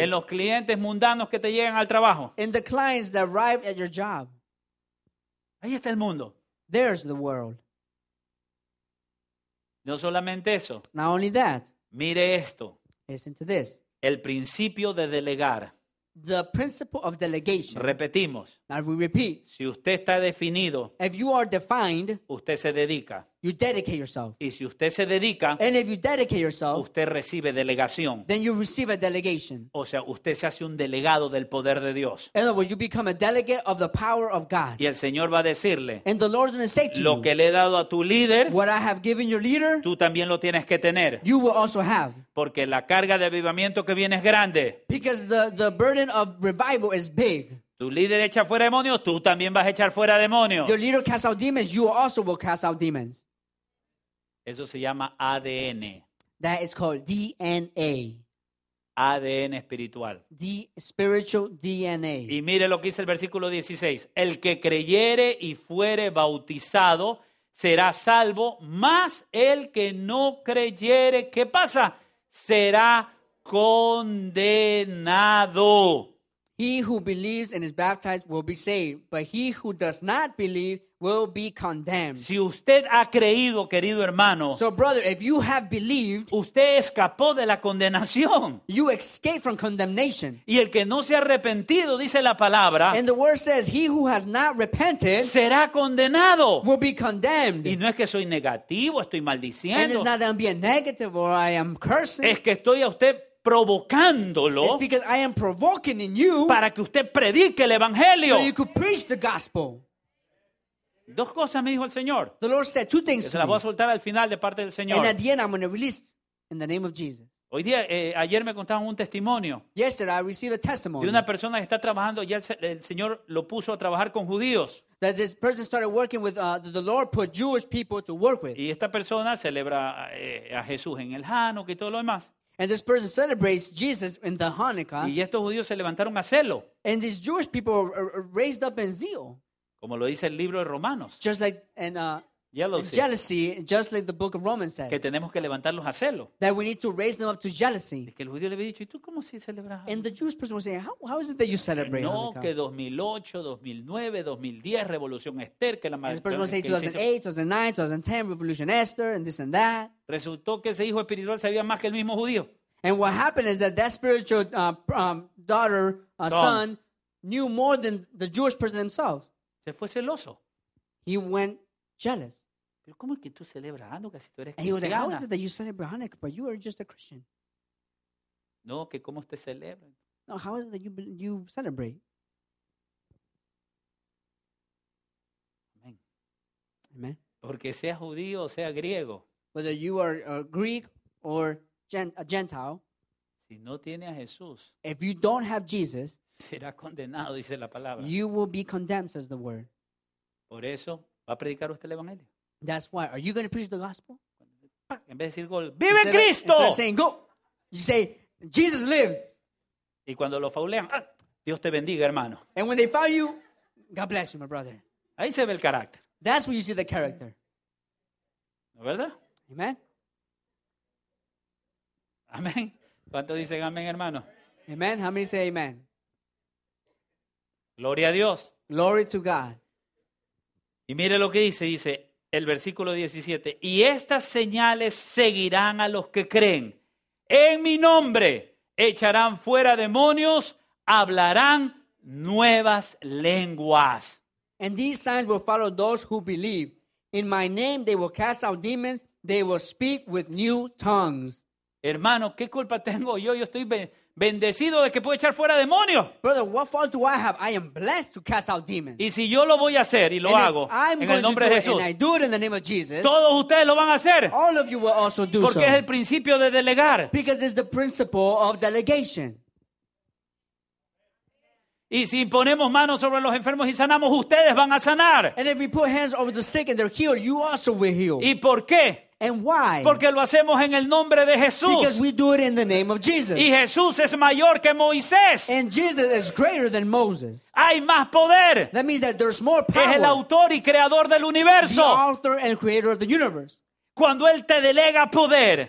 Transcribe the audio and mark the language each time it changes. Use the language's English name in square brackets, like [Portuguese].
[Spanish] En los clientes mundanos que te llegan al trabajo. [English] In the clients that arrive at your job. [Spanish] Ahí está el mundo. [English] There's the world. [Spanish] No solamente eso. [English] Not only that. [Spanish] Mire esto. [English] Listen to this. [Spanish] El principio de delegar. [English] The principle of delegation. [Spanish] Repetimos. [English] Now we repeat. [Spanish] Si usted está definido. [English] If you are defined. [Spanish] Usted se dedica. [English] You dedicate yourself. [Spanish] Y si usted se dedica. [English] And if you dedicate yourself. [Spanish] Usted recibe delegación. [English] Then you receive a delegation. [Spanish] O sea, usted se hace un delegado del poder de Dios. [English] In other words, you become a delegate of the power of God. [Spanish] Y el Señor va a decirle. [English] And the Lord is going to say to you. [Spanish] Lo que le he dado a tu líder. [English] What I have given your leader. [Spanish] Tú también lo tienes que tener. [English] You will also have. [Spanish] Porque la carga de avivamiento que viene es grande. [English] Because the burden of revival is big. [Spanish] Tu líder echa fuera demonios, tú también vas a echar fuera demonios. [English] Your leader casts out demons, you also will cast out demons. [Spanish] Eso se llama ADN. [English] That is called DNA. [Spanish] ADN espiritual. [English] Spiritual DNA. [Spanish] Y mire lo que dice el versículo 16. El que creyere y fuere bautizado será salvo, mas el que no creyere, ¿qué pasa? Será condenado. [English] He who believes and is baptized will be saved, but he who does not believe will be condemned. [Spanish] Si usted ha creído, querido hermano, [English] so brother, if you have believed, [Spanish] usted escapó de la condenación. [English] You escaped from condemnation. [Spanish] Y el que no se ha arrepentido, dice la palabra, [English] and the word says, he who has not repented [Spanish] será condenado. [English] Will be condemned. [Spanish] Y no es que soy negativo, estoy maldiciendo. [English] And it's not that I'm being negative or I am cursing. [Spanish] Es que estoy a usted provocándolo. [English] It's because I am provoking in you [Spanish] para que usted predique el evangelio. [English] So you could preach the gospel. [Spanish] Dos cosas me dijo el Señor. [English] The Lord said two things. [Spanish] Se las voy a soltar al final de parte del Señor. [English] And at the end I'm going to release in the name of Jesus. [Spanish] Hoy día, ayer me contaban un testimonio. [English] Yesterday I received a testimony. [Spanish] De una persona que está trabajando, ya el Señor lo puso a trabajar con judíos. [English] That this person started working with, the Lord put Jewish people to work with. [Spanish] Y esta persona celebra a Jesús en el Hanukkah y todo lo demás. [English] And this person celebrates Jesus in the Hanukkah. [Spanish] Y estos judíos se levantaron a celo. [English] And these Jewish people are raised up in zeal. [Spanish] Como lo dice el libro de Romanos. [English] Just like jealousy, just like the book of Romans says. [Spanish] Que tenemos que levantarlos a celo. [English] That we need to raise them up to jealousy. [Spanish] Es que el judío le había dicho, ¿y tú cómo si celebras? [English] And the Jewish person was saying, how is it that you celebrate [Spanish] no, [English] Hanukkah? [Spanish] No, que 2008, 2009, 2010, Revolución Esther, que la [English] madre. And this person was saying 2008, 2009, 2010, Revolution Esther, and this and that. [Spanish] Resultó que ese hijo espiritual sabía más que el mismo judío. [English] And what happened is that spiritual son knew more than the Jewish person themselves. [Spanish] Se fue celoso. [English] He went jealous. [Spanish] ¿Pero cómo es que tú celebras Hanukkah si tú eres [English] cristiano? And he was like, how is it that you celebrate Hanukkah, but you are just a Christian? [Spanish] No, que cómo usted celebra. [English] No, how is it that you celebrate? [Spanish] Amen. [English] Amen. [Spanish] Porque sea judío o sea griego. [English] Whether you are a Greek or a Gentile. [Spanish] Si no tiene a Jesús. [English] If you don't have Jesus. [Spanish] Será condenado, dice la palabra. [English] You will be condemned, says the word. [Spanish] Por eso, ¿va a predicar usted el evangelio? [English] That's why. Are you going to preach the gospel? [Spanish] En vez de decir, ¡vive Cristo! [English] Instead of saying, go, you say, Jesus lives. [Spanish] Y cuando lo faulean, Dios te bendiga, hermano. [English] And when they foul you, God bless you, my brother. [Spanish] Ahí se ve el carácter. [English] That's where you see the character. [Spanish] ¿No es verdad? [English] Amen. [Spanish] Amen. ¿Cuántos dicen amén, hermano? [English] Amen. How many say amen? [Spanish] Gloria a Dios. [English] Glory to God. [Spanish] Y mire lo que dice el versículo 17. Y estas señales seguirán a los que creen. En mi nombre echarán fuera demonios, hablarán nuevas lenguas. [English] And these signs will follow those who believe. In my name they will cast out demons, they will speak with new tongues. [Spanish] Hermano, ¿qué culpa tengo yo? Yo estoy bendecido de que puedo echar fuera demonios. [English] Brother, what fault do I have? I am blessed to cast out demons. [Spanish] Y si yo lo voy a hacer y lo hago en el nombre de Jesús, [English] and I do it in the name of Jesus, [Spanish] todos ustedes lo van a hacer. [English] All of you will also do [Spanish] porque [English] so. [Spanish] Es el principio de delegar. [English] Because it's the principle of delegation. [Spanish] Y si ponemos manos sobre los enfermos y sanamos, ustedes van a sanar. [English] And if we put hands over the sick and they're healed, you also will heal. [Spanish] ¿Y por qué? [English] And why? [Spanish] Porque lo hacemos en el nombre de Jesús. [English] Because we do it in the name of Jesus. [Spanish] Y Jesús es mayor que Moisés. [English] And Jesus is greater than Moses. [Spanish] Hay más poder. [English] That means that there's more power. [Spanish] Es el autor y creador del universo. [English] The author and creator of the universe. [Spanish] Cuando Él te delega poder.